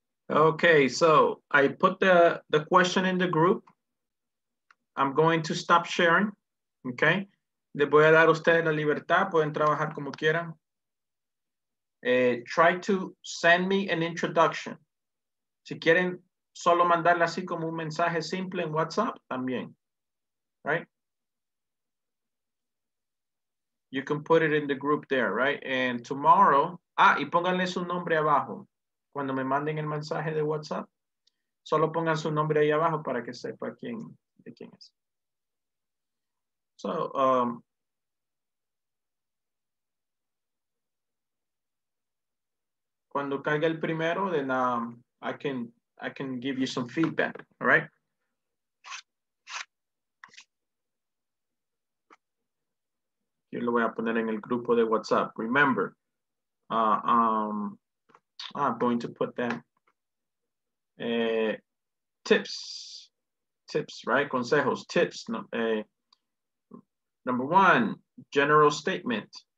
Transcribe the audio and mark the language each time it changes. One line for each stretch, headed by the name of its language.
English: Okay, so I put the question in the group. I'm going to stop sharing, okay?
Spanish: Le voy a dar a ustedes la libertad, pueden trabajar como quieran.
English: Try to send me an introduction.
Spanish: Si quieren solo mandarle así como un mensaje simple en WhatsApp, también, right?
English: You can put it in the group there, right? And tomorrow,
Spanish: y pónganle su nombre abajo. Cuando me manden el mensaje de WhatsApp, solo pongan su nombre ahí abajo para que sepa quién, de quién es.
English: So,
Spanish: cuando caiga el primero,
English: then I can give you some feedback, all right?
Spanish: Yo lo voy a poner en el grupo de WhatsApp.
English: Remember, I'm going to put them tips, right? Consejos, tips. Number one, general statement.